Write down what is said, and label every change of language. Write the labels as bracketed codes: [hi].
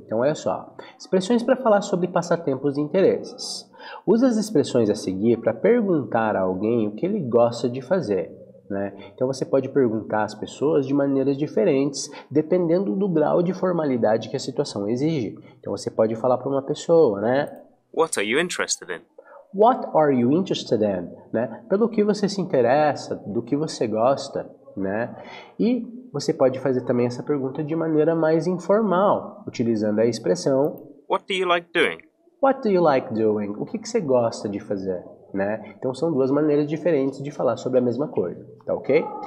[pt] Então, olha só, expressões para falar sobre passatempos e interesses. Usa as expressões a seguir para perguntar a alguém o que ele gosta de fazer, né? Então, você pode perguntar às pessoas de maneiras diferentes, dependendo do grau de formalidade que a situação exige. Então, você pode falar para uma pessoa, né? [en] What are you interested in? What are you interested in? [pt] Né? Pelo que você se interessa, do que você gosta, né? E você pode fazer também essa pergunta de maneira mais informal, utilizando a expressão... [en] What do you like doing? What do you like doing? [pt] O que, que você gosta de fazer? Né? Então, são duas maneiras diferentes de falar sobre a mesma coisa, tá ok?